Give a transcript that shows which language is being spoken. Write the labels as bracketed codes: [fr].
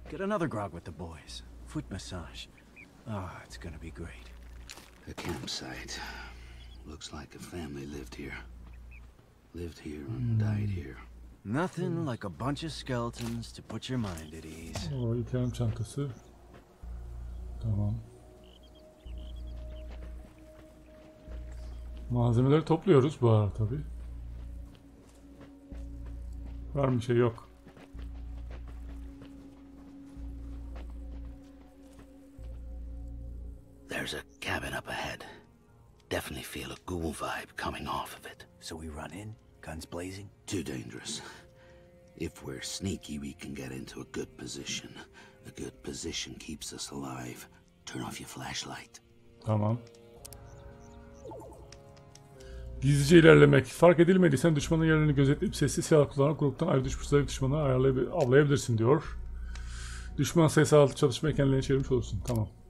[en] Get another grog with the boys. Foot massage. Ah, it's gonna be great. The campsite. Looks like a family lived here. Lived here and died here. Nothing like a bunch of skeletons to put your mind at ease. Oh, you can't jump to see. [tr] Tamam. Malzemeleri topluyoruz bu arada tabi. Var mı şey yok. [en] There's a cabin up ahead. Definitely feel a ghoul vibe coming off of it. So we run in, guns blazing? Too dangerous. If we're sneaky, we can get into a good position. A good position keeps us alive. Turn off your flashlight. [tr] Tamam. Gizlice ilerlemek. Fark edilmediysen düşmanın yerlerini gözetleyip sessiz silah kullanarak gruptan ayrı düşmüş zayıf düşmanı avlayabilirsin diyor. Düşman sayısı altı çalışmayı kendilerine çevirmiş olursun. Tamam.